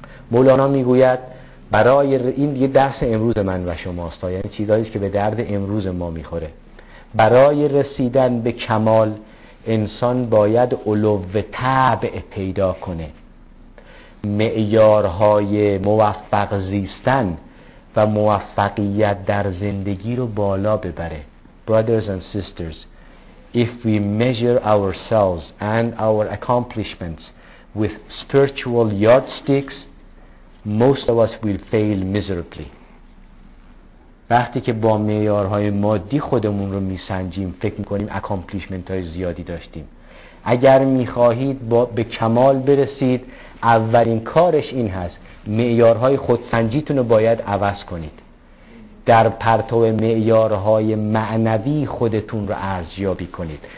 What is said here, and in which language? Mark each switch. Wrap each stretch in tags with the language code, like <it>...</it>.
<fa>مولانا میگوید برای این یه درس امروز من و شماست، یعنی چیزایی که به درد امروز ما میخوره. برای رسیدن به کمال انسان باید علو طبع پیدا کنه، معیارهای موفق زیستن و موفقیت در زندگی رو بالا ببره.</fa> <en>Brothers and sisters, if we measure ourselves and our accomplishments with spiritual yardsticks, most of us will fail miserably.</en> <fa>وقتی که با معیارهای مادی خودمون رو میسنجیم، فکر میکنیم اکامپلیشمنت های زیادی داشتیم. اگر میخواهید به کمال برسید، اولین کارش این هست معیارهای خودسنجیتون رو باید عوض کنید، در پرتو معیارهای معنوی خودتون رو ارزیابی کنید.</fa>